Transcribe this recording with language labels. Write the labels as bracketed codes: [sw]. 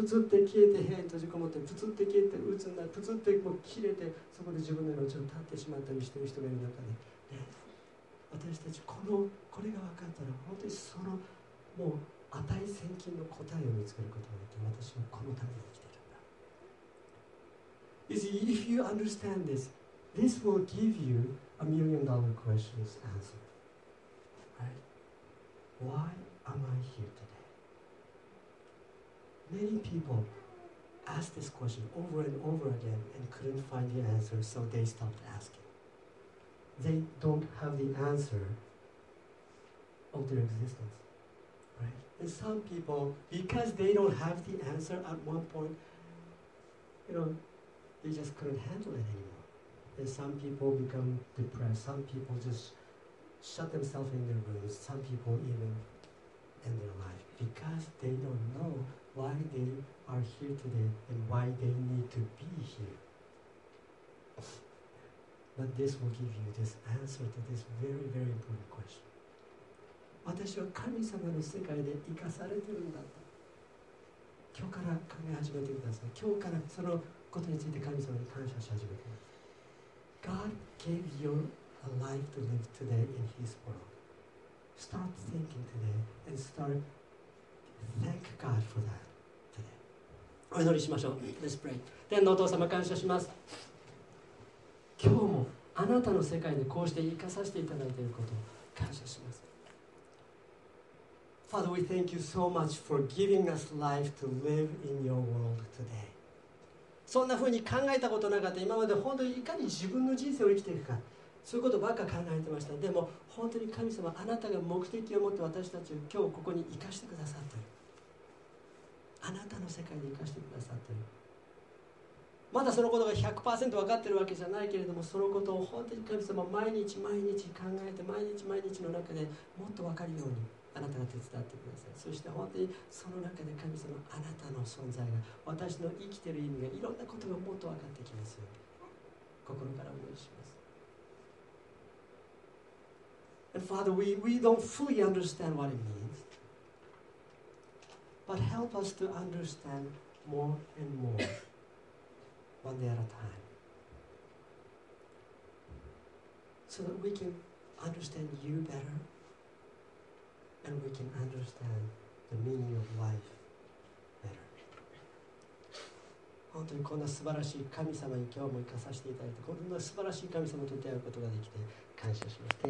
[ja] プツって消えて部屋に閉じこもって、プツって消えて鬱になる、プツってもう切れてそこで自分の命を絶ってしまったりしている人がいる中で、ね、私たちこれが分かったら本当にそのもう値千金の答えを見つけることができて、私はこのために生きているんだ。 [en] If you understand this, this will give you a million dollar questions answered. Why am I here today? Many people ask this question over and over again and couldn't find the answer, so they stopped asking. They don't have the answer of their existence, right? And some people, because they don't have the answer at one point, you know, they just couldn't handle it anymore. And some people become depressed. Some people just shut themselves in their rooms. Some people evenin their life because they don't know why they are here today and why they need to be here. But this will give you this answer to this very, very important question. [ja] 私は神様の世界で生かされてるんだと。今日から考え始めてください。今日からそのことについて神様に感謝し始めてください。 [en] God gave you a life to live today in His world. Start thinking today and start thank God for that today. [ja] お祈りしましょう。 [en] Let's pray. [ja] 天のお父様、感謝します。今日もあなたの世界にこうして生かさせていただいていることを感謝します。 [en] Father, we thank you so much for giving us life to live in your world today. [ja] そんなふうに考えたことなかった。今まで本当にいかに自分の人生を生きていくか。そういうことばっか考えてました。でも本当に神様、あなたが目的を持って私たちを今日ここに生かしてくださってる、あなたの世界に生かしてくださってる、まだそのことが 100% 分かってるわけじゃないけれども、そのことを本当に神様毎日毎日考えて、毎日毎日の中でもっと分かるようにあなたが手伝ってください。そして本当にその中で神様、あなたの存在が、私の生きている意味が、いろんなことがもっと分かってきますように心からお願いします。 [en] And Father, we don't fully understand what it means, but help us to understand more and more one day at a time, so that we can understand you better and we can understand the meaning of life better. [ja] 本当にこんな素晴らしい神様に今日も生かさせていただいて、こんな素晴らしい神様と出会うことができて感謝します。